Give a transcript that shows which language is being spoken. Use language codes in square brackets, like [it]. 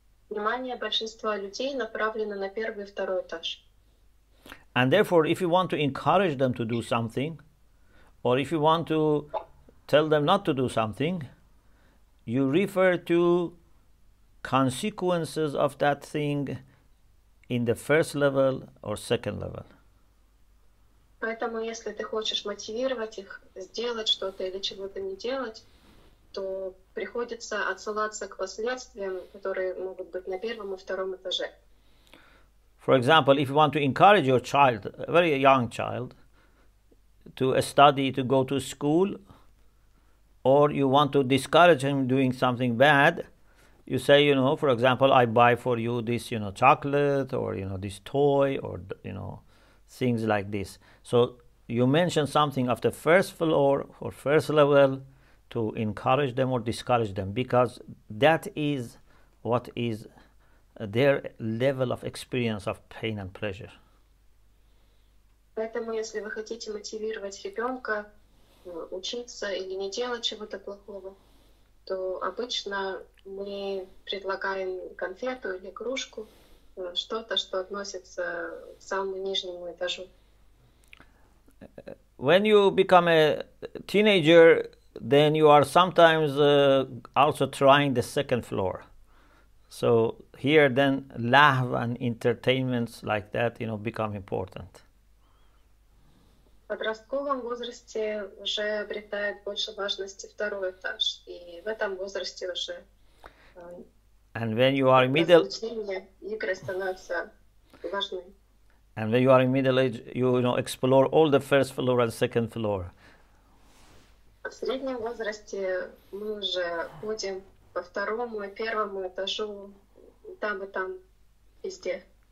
[ru] Внимание большинства людей направлено на первый и второй этаж. [en] And therefore, if you want to encourage them to do something, or if you want to tell them not to do something, you refer to consequences of that thing in the first level or second level. [ru] Поэтому, если ты хочешь мотивировать их сделать что-то или чего-то не делать, то приходится отсылаться к последствиям, которые могут быть на первом и втором этаже. [en] For example, if you want to encourage your child, a very young child, to study, to go to school, or you want to discourage him doing something bad, you say, you know, for example, I buy for you this, you know, chocolate, or, you know, this toy, or, you know, things like this. So you mention something of the first floor or first level to encourage them or discourage them, because that is what is their level of experience of pain and pleasure. [ru] Поэтому, если вы хотите мотивировать ребенка учиться или не делать чего-то плохого, то обычно мы предлагаем конфету или кружку, что-то, что относится к самому нижнему этажу. [en] when you become a teenager, then you are sometimes also trying the second floor. So here then lahv and entertainments like that, you know, become important. [ru] В подростковом возрасте уже обретает больше важности второй этаж, и в этом возрасте уже игры становятся важны. [en] And when you are in middle age, you, you know, explore all the first floor and second floor. [ru] В среднем возрасте мы уже ходим по второму и первому этажу, там и там, везде.